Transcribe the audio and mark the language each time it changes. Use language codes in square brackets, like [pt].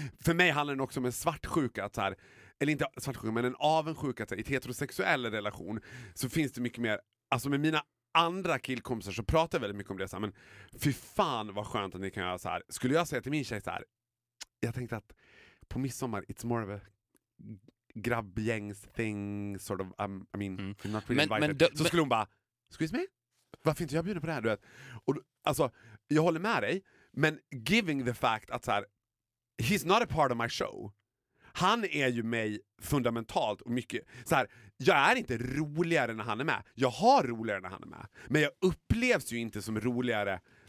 [sv] För mig handlar det också om en svartsjuka. Att så här, eller inte svartsjuka, men en avundsjuka. Att så här, i ett heterosexuell relation så finns det mycket mer... Alltså med mina andra killkompisar så pratar jag väldigt mycket om det. Så här, men fy fan vad skönt att ni kan göra så här. Skulle jag säga till min tjej så här... Jag tänkte att på midsommar, [en] it's more of a... grabbgängs thing sort of I'm not really invited. [sv] Så skulle hon bara, [en] excuse me? [sv] Varför inte jag bjuder på det här? Du vet. Och, alltså, jag håller med dig, men [en] giving the fact [sv] att så här, [en] he's not a part of my show. [sv] Han är ju mig fundamentalt och mycket, så här, jag är inte roligare när han är med. Jag har roligare när han är med. Men jag upplevs ju inte som roligare.